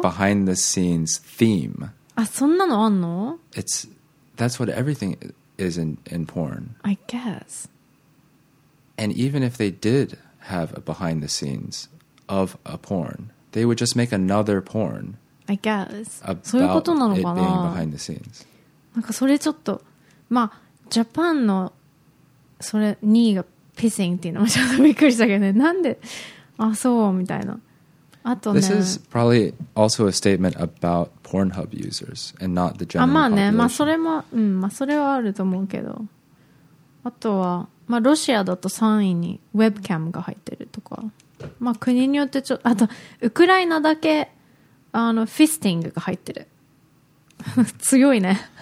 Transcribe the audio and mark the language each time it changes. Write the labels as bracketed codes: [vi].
[en] It's a behind the scenes theme [ja] あそんなのあんの? [en] It's, that's what everything isIs in porn. I guess. And even if they did have a behind the scenes of a porn, they would just make another porn. I guess. About [ja] そういうことなのかな? [en] It being behind the scenes. [ja] なんかそれちょっと、まあ、ジャパンのそれ2位がピッシングっていうのもちょっとびっくりしたけどね。なんで、あ、そうみたいな。あとね。 [en] This is probably also a statement about Pornhub users and not the general population. [ja] あ、まあね。まあそれも、うん、まあそれはあると思うけど。あとは、まあロシアだと3位にウェブキャムが入ってるとか。まあ国によってちょっと、あと、ウクライナだけ、フィスティングが入ってる。強いね。